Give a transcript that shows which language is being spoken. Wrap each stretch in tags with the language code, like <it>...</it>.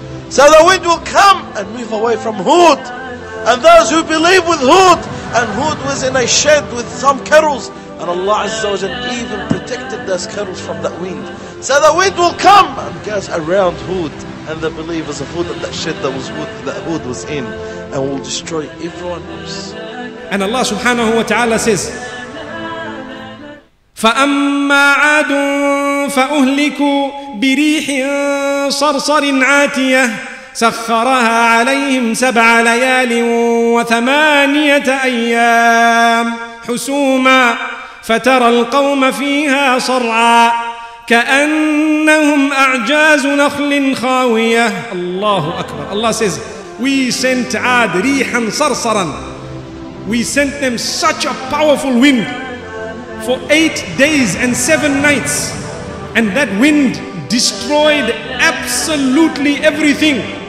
<en>So the wind will come and move away from Hud. And those who believe with Hud, and Hud was in a shed with some carols, and Allah Azza wa Jal even protected those carols from that wind. So the wind will come and goes around Hud and the believers of Hud and that shed that Hud was in, and will destroy everyone else. And Allah subhanahu wa ta'ala says,</en> <ar>فَأَمَّا عَادٌ فَأُهْلِكُوا بِرِيحٍ صَرْصَرٍ عَاتِيَةٍ سخرها عليهم سبع ليال وثمانية أيام حسوما فترى القوم فيها صرعا كأنهم أعجاز نخل خاوية. الله أكبر.</ar> <en>Allah says, we sent Ad</en> <ar>ريحا صرصرا.</ar> <en>We sent them such a powerful wind for 8 days and 7 nights, and that wind destroyed absolutely everything.</en>